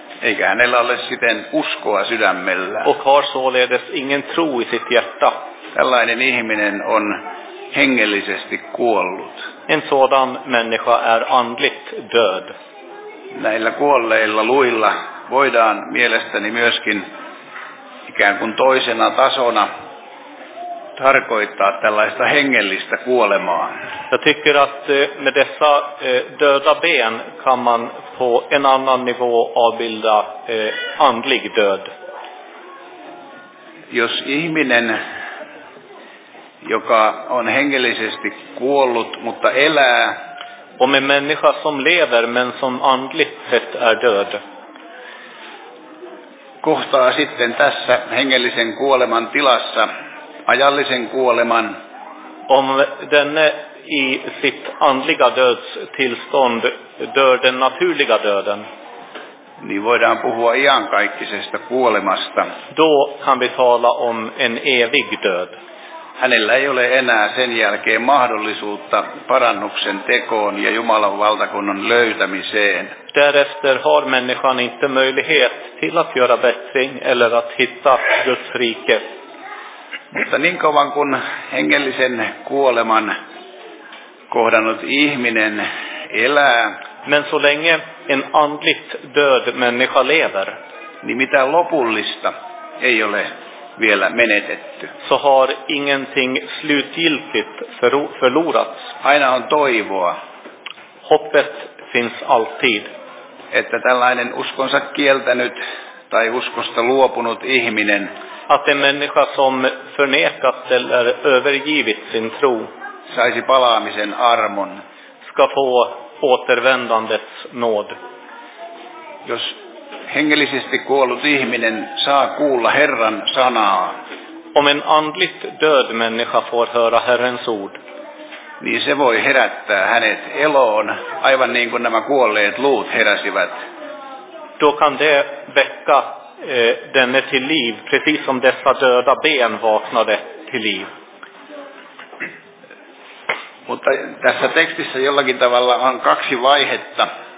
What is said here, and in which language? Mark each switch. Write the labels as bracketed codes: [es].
[fi] Eikä hänellä ole siten uskoa sydämellä. [sv] Och har således ingen tro i sitt hjärta. [fi] Tällainen ihminen on hengellisesti kuollut. [sv] En sådan människa är andligt död. [fi] Näillä kuolleilla luilla voidaan mielestäni myöskin ikään kuin toisena tasona tarkoittaa tällaista hengellistä kuolemaa. [sv] Jag tycker att med dessa döda ben kan man på en annan nivå avbilda andlig död. [fi] Jos ihminen, joka on hengellisesti kuollut, mutta elää, [sv] om en människa som lever men som andligt sett är död, [fi] kohtaa sitten tässä hengellisen kuoleman tilassa ajallisen kuoleman, [sv] om denne i sitt andliga dödstillstånd dör den naturliga döden, [fi] niin voidaan puhua iankaikkisesta kuolemasta. [sv] Då kan vi tala om en evig död. [fi] Hänellä ei ole enää sen jälkeen mahdollisuutta parannuksen tekoon ja Jumalan valtakunnan löytämiseen. [sv] Därefter har människan inte möjlighet till att göra bättring eller att hitta Guds rike. [fi] Mutta niin kauan kuin hengellisen kuoleman kohdannut ihminen elää, [sv] men så länge en andligt död människa lever, [fi] niin mitään lopullista ei ole vielä menetetty. [sv] Så har ingenting slutgiltigt förlorats. [fi] Aina on toivoa. [sv] Hoppet finns alltid. [fi] Että tällainen uskonsa kieltänyt tai uskosta luopunut ihminen, [sv] att en människa som förnekat eller övergivit sin tro, [fi] saisi palaamisen armon, [sv] ska få återvändandets nåd. [fi] Jos hengellisesti kuollut ihminen saa kuulla Herran sanaa, [sv] om en andligt död människa får höra Herrens ord, [fi] niin se voi herättää hänet eloon, aivan niin kuin nämä kuolleet luut heräsivät. [sv] Då kan det väcka denne till liv, precis som dessa döda ben vaknade till liv. [fi] Mutta tässä tekstissä jollakin tavalla on kaksi vaihetta.